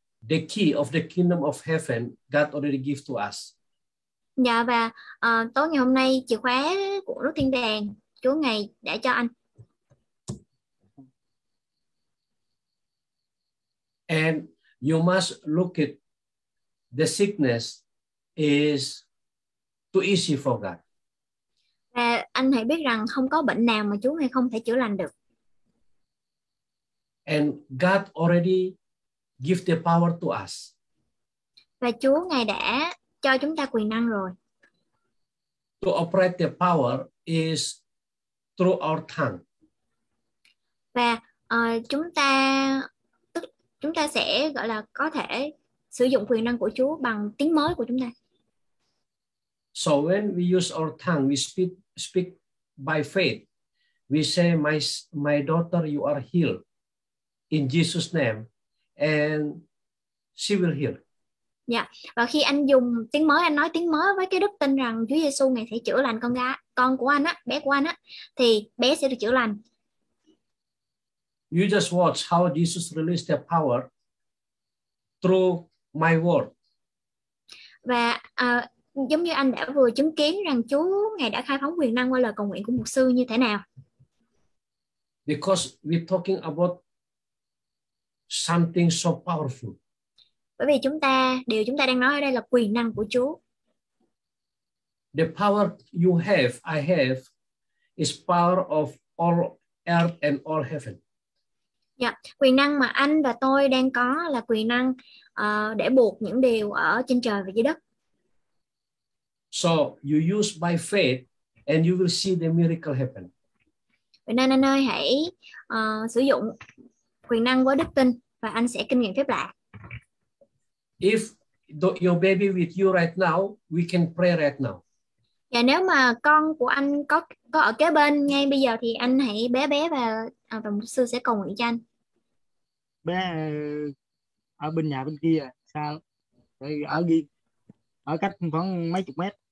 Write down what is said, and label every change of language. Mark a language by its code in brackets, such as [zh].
[en] The key of the kingdom of heaven God already gave to us. [vi] Dạ và tối ngày hôm nay chìa khóa của nước thiên đàng Chúa ngài đã cho anh. [en] And you must look at the sickness is too easy for God. [vi] Và anh hãy biết rằng không có bệnh nào mà Chúa ngài không thể chữa lành được. [en] And God already give the power to us. [vi] Và Chúa ngài đã cho chúng ta quyền năng rồi. [en] To operate the power is through our tongue. [vi] Và chúng ta sẽ gọi là có thể sử dụng quyền năng của Chúa bằng tiếng nói của chúng ta. [en] So when we use our tongue, we speak by faith. We say, my daughter, you are healed in Jesus' name, and she will heal. Yeah. [vi] Và khi anh dùng tiếng mới, anh nói tiếng mới với cái đức tin rằng Chúa Giêsu ngài sẽ chữa lành con của anh á, bé của anh á, thì bé sẽ được chữa lành. [en] You just watch how Jesus released the power through my word. [vi] Và giống như anh đã vừa chứng kiến rằng Chúa ngài đã khai phóng quyền năng qua lời cầu nguyện của mục sư như thế nào. [en] Because we're talking about something so powerful. [vi] Bởi vì chúng ta đang nói ở đây là quyền năng của Chúa. [en] The power you have, I have, is power of all earth and all heaven. [vi] Yeah, quyền năng mà anh và tôi đang có là quyền năng để buộc những điều ở trên trời và dưới đất. [en] So you use by faith and you will see the miracle happen. [vi] Vậy nên anh ơi, hãy sử dụng quyền năng với đức tin và anh sẽ kinh nghiệm phép lạ. [en] If your baby with you right now, we can pray right now. [vi] Yeah, nếu mà con của anh có ở kế bên ngay bây giờ thì anh hãy bé và mục sư sẽ cầu nguyện cho anh. Bé ở bên nhà bên kia sao? Thì ở gì? Ở cách khoảng mấy chục mét.